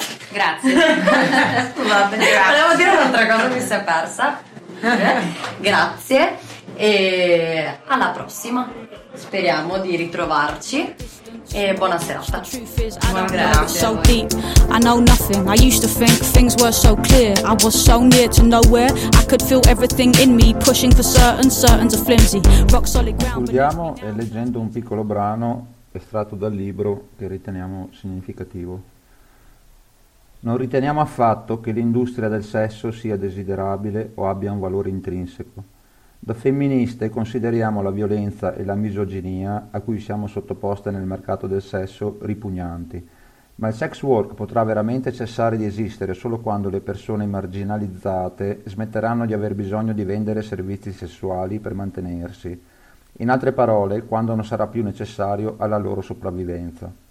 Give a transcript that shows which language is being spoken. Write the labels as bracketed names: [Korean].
[Italian] Grazie. Scusate, grazie. Volevo dire un'altra cosa, mi si è persa. Grazie e alla prossima. Speriamo di ritrovarci e buona serata. [English] So deep, I know nothing. I used to think things were so clear. I was so near to nowhere. I could feel everything in me pushing for certain to flimsy. Rock solid ground. [Italian] Studiamo leggendo un piccolo brano estratto dal libro che riteniamo significativo. Non riteniamo affatto che l'industria del sesso sia desiderabile o abbia un valore intrinseco. Da femministe consideriamo la violenza e la misoginia a cui siamo sottoposte nel mercato del sesso ripugnanti, ma il sex work potrà veramente cessare di esistere solo quando le persone marginalizzate smetteranno di aver bisogno di vendere servizi sessuali per mantenersi, in altre parole, quando non sarà più necessario alla loro sopravvivenza.